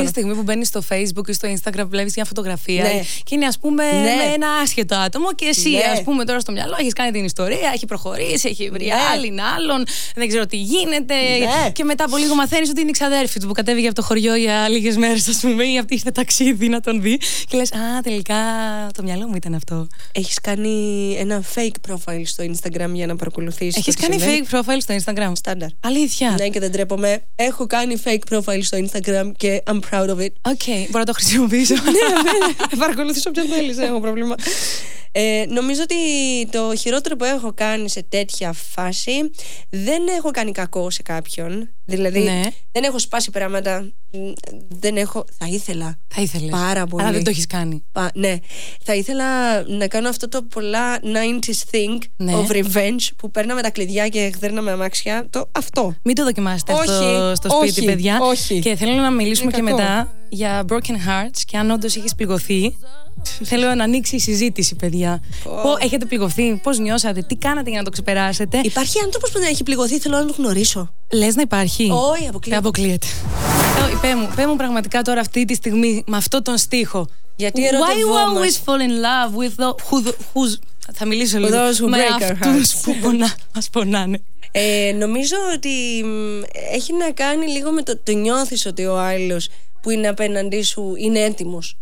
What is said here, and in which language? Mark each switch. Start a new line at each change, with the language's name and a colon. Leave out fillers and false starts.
Greek: Είναι η στιγμή που μπαίνεις στο Facebook ή στο Instagram, βλέπεις μια φωτογραφία και είναι, ας πούμε, με ένα άσχετο άτομο και εσύ, ας πούμε, τώρα στο μυαλό έχεις κάνει την ιστορία, έχει προχωρήσει, έχει βρει άλλην, άλλον, δεν ξέρω τι γίνεται. Και μετά από λίγο μαθαίνεις ότι είναι η ξαδέρφη του που κατέβηκε από το χωριό για λίγες μέρες, ας πούμε, ή αυτή είχε ταξίδι να τον δει. Και λες, α, τελικά το μυαλό μου ήταν αυτό. Έχεις κάνει ένα fake profile στο Instagram για να παρακολουθήσεις. Έχεις κάνει fake profile στο Instagram. Στάνταρ. Αλήθεια. Και δεν τρέπομαι. Έχω κάνει fake profile στο Instagram και
English: I'm proud of it.
Greek: Okay, μπορώ να το χρησιμοποιήσω. Ναι, παρακολουθήσω ποιον θέλει, δεν έχω πρόβλημα. Νομίζω ότι το χειρότερο που έχω κάνει σε τέτοια φάση, δεν έχω κάνει κακό σε κάποιον. Δηλαδή, δεν έχω σπάσει πράγματα. Δεν έχω. Θα ήθελα. Θα ήθελες. Πάρα πολύ. Αλλά δεν το έχεις κάνει. Ναι. Θα ήθελα να κάνω αυτό το πολλά
English: 90s thing of revenge
Greek: που παίρναμε τα κλειδιά και χδέρναμε αμάξια. Αυτό. Μην το δοκιμάσετε στο σπίτι, όχι, παιδιά. Όχι. Και θέλω να μιλήσουμε και μετά για broken hearts και αν όντως έχεις πληγωθεί. Θέλω να ανοίξει η συζήτηση, παιδιά. Έχετε πληγωθεί? Πώς νιώσατε? Τι κάνατε για να το ξεπεράσετε? Υπάρχει άνθρωπος που δεν έχει πληγωθεί? Θέλω να το γνωρίσω. Λες να υπάρχει? Όχι, αποκλείεται. Αποκλείεται. Πέμου πραγματικά τώρα αυτή τη στιγμή με αυτό τον στίχο. Γιατί ερωτευόμαστε.
English: Why you always fall in love with the, who's,
Greek: θα μιλήσω λίγο,
English: who
Greek: με αυτούς που μας πονάνε. Νομίζω ότι έχει να κάνει λίγο με το νιώθεις ότι ο άλλος που είναι απέναντί σου είναι έτοιμος.